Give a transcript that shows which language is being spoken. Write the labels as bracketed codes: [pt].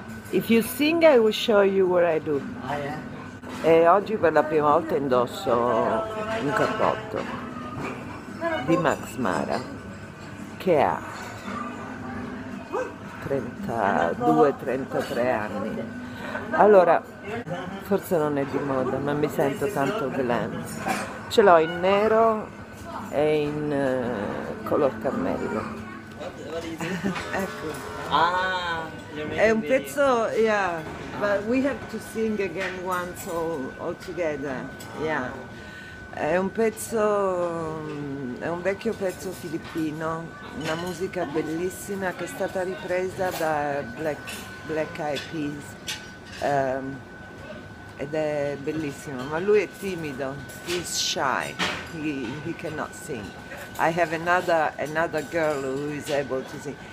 [en] If you sing, I will show you what I do. [it] E oggi per la prima volta indosso un cappotto di Max Mara, che ha 32-33 anni. Allora, forse non è di moda, ma mi sento tanto glam. Ce l'ho in nero e in color cammello. Ecco. È un pezzo, [en] yeah, but we have to sing again once all together, yeah. [it] È un pezzo, è un vecchio pezzo filippino, una musica bellissima che è stata ripresa da Black Eyed Peas, ed è bellissimo, ma lui è timido, [en] he's shy, he cannot sing. I have another girl who is able to sing.